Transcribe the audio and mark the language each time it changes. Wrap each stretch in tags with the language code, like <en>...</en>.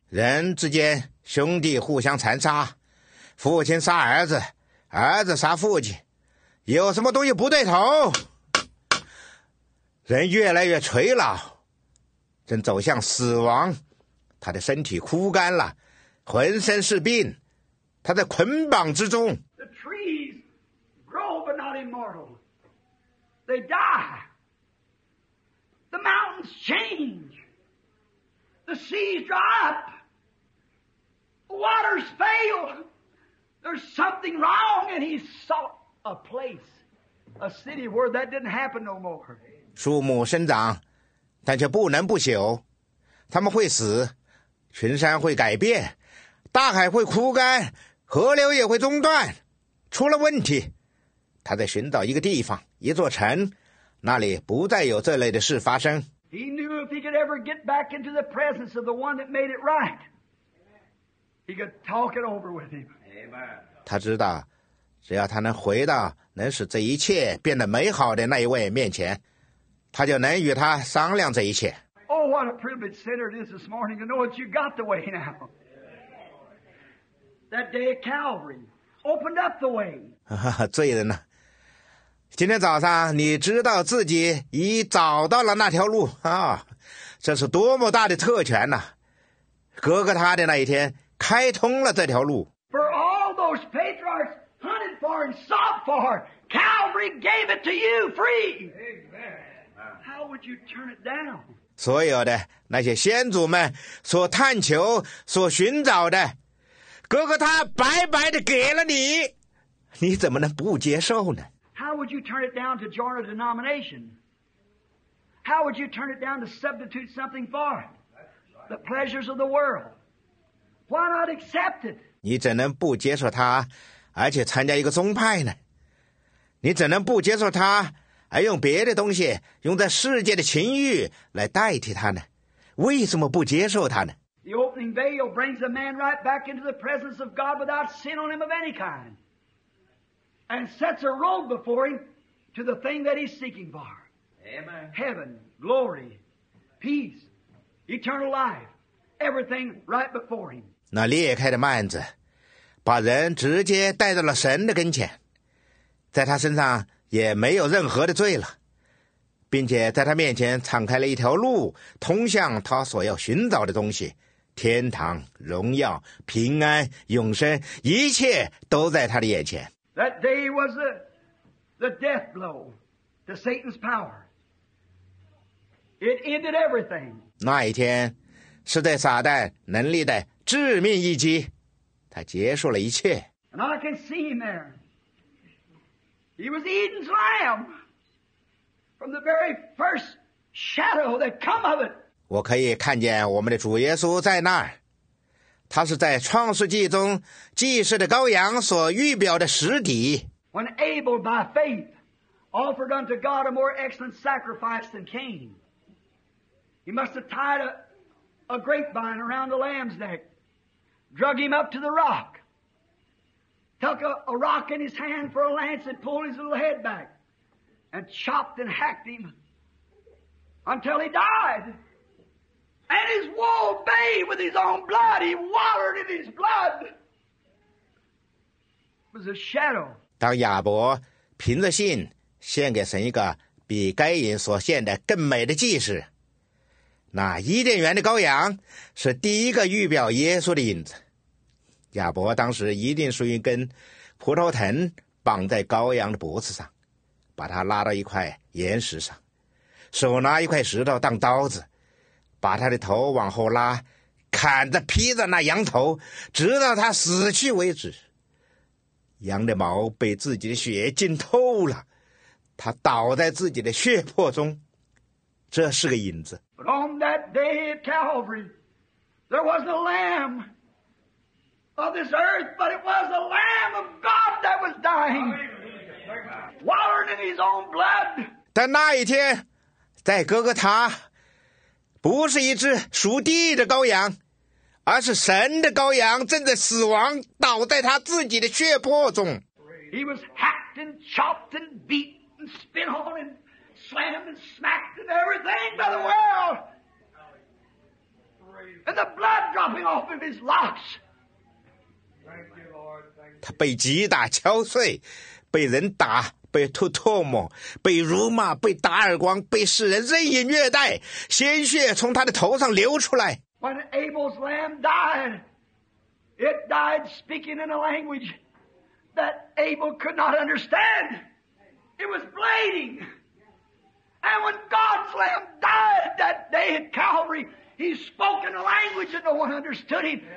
<zh>人之间兄弟互相残杀，父亲杀儿子，儿子杀父亲，有什么东西不对头？人越来越垂老，正走向死亡，他的身体枯干了。浑身是病，他在捆绑之中。</zh> <en>The trees grow but not immortal. They die. The mountains change. The seas dry up. The waters fail. There's something wrong and he sought a place, a city where that didn't happen no more.</en> <zh>树木生长，但却不能不朽。他们会死，群山会改变。大海会枯干，河流也会中断，出了问题。他在寻找一个地方，一座城，那里不再有这类的事发生。</zh> <en>He knew if he could ever get back into the presence of the one that made it right, he could talk it over with him. Amen.</en> <zh>他知道，只要他能回到能使这一切变得美好的那一位面前，他就能与他商量这一切。</zh> <en>Oh, what a privileged sinner it is this morning to know that you got the way now. That day at Calvary opened up the way.</en> <zh>罪人呐、啊，今天早上你知道自己已找到了那条路啊，这是多么大的特权呐、啊！哥哥他的那一天开通了这条路。</zh> <en>For all those patriarchs hunted for and sought for, Calvary. Calvary gave it to you free. Amen. How would you turn it down?</en> <zh>所有的那些先祖们所探求、所寻找的，哥哥他白白的给了你，你怎么能不接受呢？</zh> <en>How would you turn it down to join a denomination? How would you turn it down to substitute something for it? The pleasures of the world. Why not accept it?</en> <zh>你怎能不接受他，而且参加一个宗派呢？你怎能不接受他，而用别的东西，用在世界的情欲来代替他呢？为什么不接受他呢？</zh> <en>The opening veil brings a man right back into the presence of God without sin on him of any kind. And sets a road before him to the thing that he's seeking for. Amen. Heaven, glory, peace, eternal life. Everything right before him.</en> <zh>那裂开的幔子把人直接带到了神的跟前，在他身上也没有任何的罪了，并且在他面前敞开了一条路，通向他所要寻找的东西，天堂、荣耀、平安、永生，一切都在他的眼前。</zh> <en>That day was the death blow to Satan's power. It ended everything.</en> <zh>那一天是对撒旦能力的致命一击，他结束了一切。</zh> <en>And I can see him there. He was Eden's lamb from the very first shadow that come of it.</en> <zh>我可以看见我们的主耶稣在那儿，他是在创世纪中祭祀的羔羊所预表的实体。</zh> <en>When Abel by faith offered unto God a more excellent sacrifice than Cain, he must have tied a grapevine around the lamb's neck, drug him up to the rock, took a rock in his hand for a lance and pulled his little head back and chopped and hacked him until he died. And his wool bathed with his own blood. He watered in his blood. It was a shadow.</en> <zh>当亚伯凭着信献给神一个比该隐所献的更美的祭祀，那伊甸园的羔羊是第一个预表耶稣的影子。亚伯当时一定是一根葡萄藤绑在羔羊的脖子上，把它拉到一块岩石上，手拿一块石头当刀子，把他的头往后拉，砍着劈着那羊头，直到他死去为止。羊的毛被自己的血浸透了，他倒在自己的血泊中，这是个影子。</zh> <en>But on that day at Calvary, there was a lamb of this earth, but it was the Lamb of God that was dying, watered in His own blood.</en> <zh>但那一天，在哥哥他，不是一只属地的羔羊，而是神的羔羊正在死亡，倒在他自己的血泊中。</zh> <en>He was hacked and chopped and beat and spit on and slammed and smacked and everything by the world, and the blood dropping off of his locks.</en> <zh>他被击打敲碎，被人打，被吐唾沫，被辱骂，被打耳光，被世人任意虐待，鲜血从他的头上流出来。</zh> <en>When Abel's lamb died, it died speaking in a language that Abel could not understand. It was bleeding. And when God's lamb died that day at Calvary,He spoke in a language that no one understood him.</en>